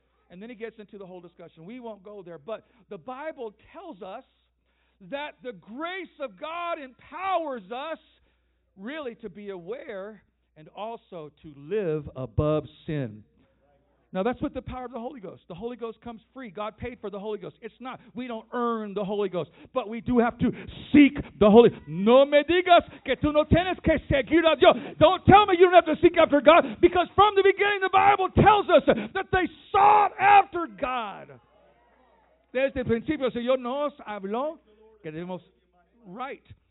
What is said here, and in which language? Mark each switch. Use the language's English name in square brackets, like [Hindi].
[English] And then he gets into the whole discussion. We won't go there, but the Bible tells us that the grace of God empowers us really to be aware and also to live above sin. Now, that's with the power of the Holy Ghost. The Holy Ghost comes free. God paid for the Holy Ghost. It's not. We don't earn the Holy Ghost. But we do have to seek the Holy Ghost. [Spanish] No me digas que tú no tienes que seguir a Dios. [English] Don't tell me you don't have to seek after God. Because from the beginning, the Bible tells us that they sought after God. [Spanish] Desde el principio, Señor nos habló que debemos, right.